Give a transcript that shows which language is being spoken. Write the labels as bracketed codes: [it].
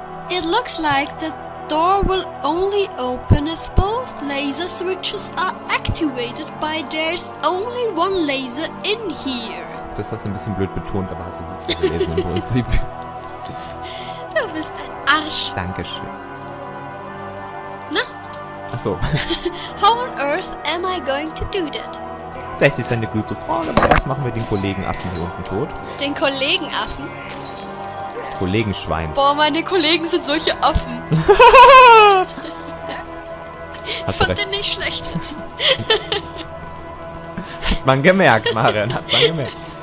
[en] It looks like the door will only open if both laser switches are activated, but there's only one laser in here. [de] Das hast du ein bisschen blöd betont, aber hast du gut gelesen im Prinzip. Du bist ein Arsch. Dankeschön. Ach so. [en] How on earth am I going to do that? [de] Das ist eine gute Frage, aber was machen wir den Kollegenaffen hier unten tot? Den Kollegenaffen? Das Kollegenschwein. Boah, meine Kollegen sind solche Affen. Fand den nicht schlecht. Hat man gemerkt, Marian, hat man gemerkt.